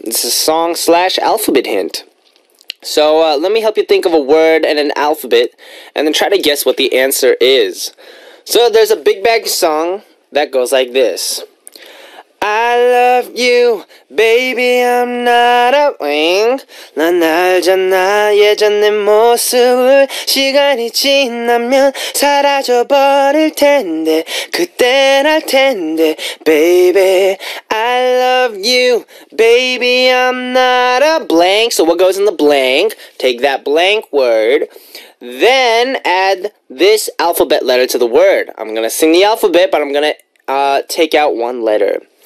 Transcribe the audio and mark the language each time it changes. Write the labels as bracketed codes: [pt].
[en] It's a song slash alphabet hint. So let me help you think of a word and an alphabet, and then try to guess what the answer is. So there's a Big Bang song that goes like this. I love you, baby, I'm not a wing. [ko] 난 알잖아, 예전의 모습을. 시간이 지나면 사라져버릴 텐데. 그땐 할 텐데, [en] baby. I love you, baby, I'm not a blank. So what goes in the blank? Take that blank word. Then add this alphabet letter to the word. I'm gonna sing the alphabet, but I'm gonna take out one letter.